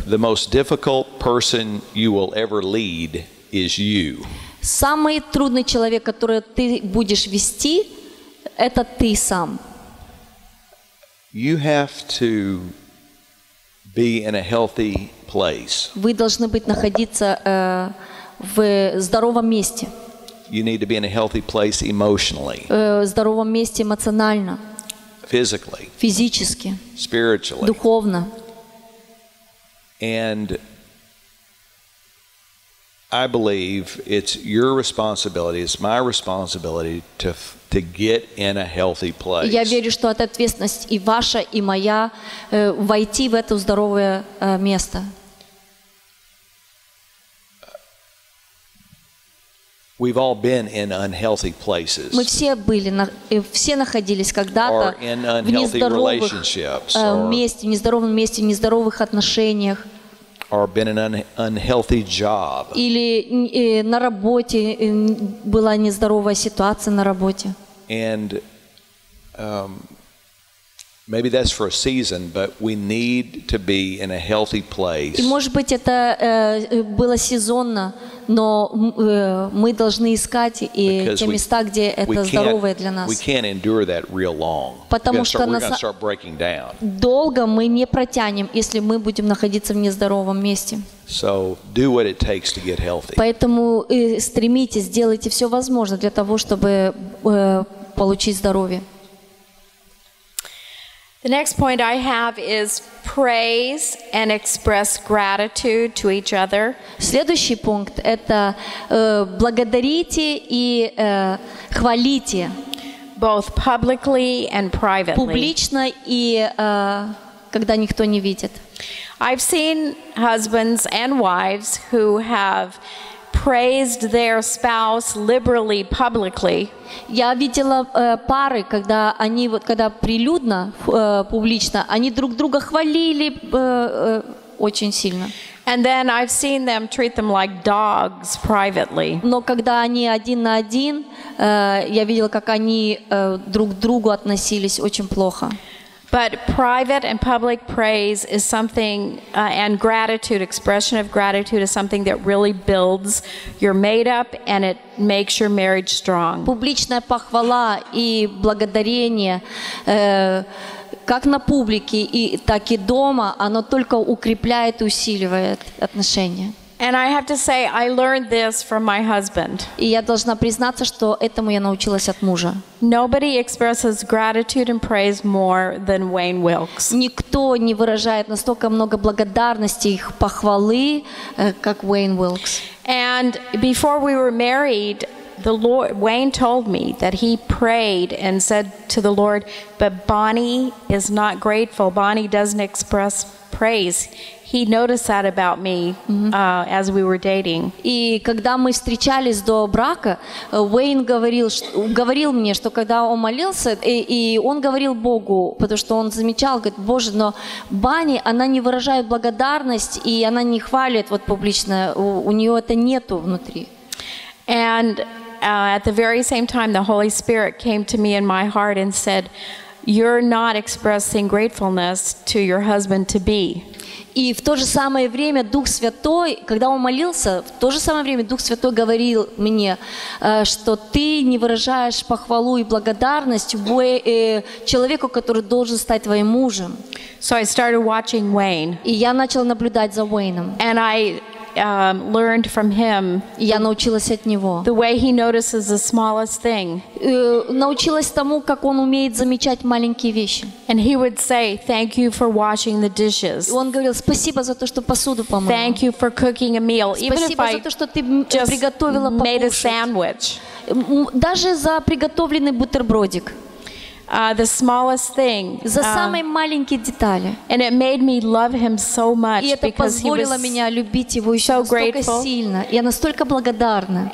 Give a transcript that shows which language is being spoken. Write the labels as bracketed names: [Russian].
[English] The most difficult person you will ever lead is you. [Ukrainian] Самий трудний чоловік, якого ти будеш вести, це ти сам. [English] You have to be in a healthy place. [Ukrainian] Ви повинні бути знаходитися в здоровому місці. [English] You need to be in a healthy place emotionally. [Ukrainian] В здоровому місці емоційно. [English] Physically. [Ukrainian] Фізично. [English] Spiritually. [Ukrainian] Духовно. [English] And I believe it's your responsibility, it's my responsibility to get in a healthy place. [Ukrainian] Я вірю, що це відповідальність і ваша, і моя войти в це здорове місце. [English] We've all been in unhealthy places. [Ukrainian] Ми всі були, всі знаходились когда-то в нездорових місцях, в нездоровому місці, в нездорових отношениях. [English] Or been in an unhealthy job. [Russian] Или на работе была нездоровая ситуация на работе. [English] And maybe that's for a season, but we need to be in a healthy place. [Russian] И может быть это было сезонно, но мы должны искать и те места, где это здоровое для нас. [English] We can't endure that real long. [Russian] Потому что долго мы не протянем, если мы будем находиться в нездоровом месте. [English] So do what it takes to get healthy. [Russian] Поэтому стремитесь, делайте всё возможное для того, чтобы получить здоровье. [English] The next point I have is praise and express gratitude to each other. [Russian] Следующий пункт это благодарите и хвалите. [English] Both publicly and privately. [Russian] Публично и когда никто не видит. [English] I've seen husbands and wives who have praised their spouse liberally publicly. [Russian] Я видела пары, когда они вот когда прилюдно публично, они друг друга хвалили очень сильно. [English] And then I've seen them treat them like dogs privately. [Russian] Но когда они один на один, я видела, как они друг к другу относились очень плохо. [English] But private and public praise is something and gratitude, expression of gratitude is something that really builds your made up and it makes your marriage strong. [Russian] Публичная похвала и благодарение как на публике, и так и дома, оно только укрепляет и усиливает отношения. [English] And I have to say I learned this from my husband. [Russian] И я должна признаться, что этому я научилась от мужа. [English] Nobody expresses gratitude and praise more than Wayne Wilkes. [Russian] Никто не выражает настолько много благодарности и похвалы, как Wayne Wilkes. [English] And before we were married, the Lord Wayne told me that he prayed and said to the Lord, "But Bonnie is not grateful. Bonnie doesn't express praise." He noticed that about me as we were dating. [Russian] И когда мы встречались до брака, Уэйн говорил мне, что когда он молился, и он говорил Богу, потому что он замечал, говорит: "Боже, но Бани, она не выражает благодарность, и она не хвалит вот публично. У неё это нету внутри." [English] And at the very same time the Holy Spirit came to me in my heart and said, "You're not expressing gratefulness to your husband to be." [Russian] И в то же самое время Дух Святой, когда он молился, в то же самое время Дух Святой говорил мне, что ты не выражаешь похвалу и благодарность человеку, который должен стать твоим мужем. [English] So I started watching Wayne. [Russian] И я начала наблюдать за Уэйном. [English] And I learned from him. [Russian] Я научилась от него. [English] The way he notices the smallest thing. [Russian] Научилась тому, как он умеет замечать маленькие вещи. [English] And he would say, "Thank you for washing the dishes." [Russian] Он говорил: "Спасибо за то, что посуду помыл." [English] Thank you for cooking a meal. [Russian] Спасибо за то, что ты приготовила покушать. [English] Made a sandwich. [Russian] Даже за приготовленный бутербродик. [English] The smallest thing. [Russian] За самые маленькие детали. [English] And it made me love him so much because he [Russian] позволило меня любить его ещё настолько сильно. Я настолько благодарна.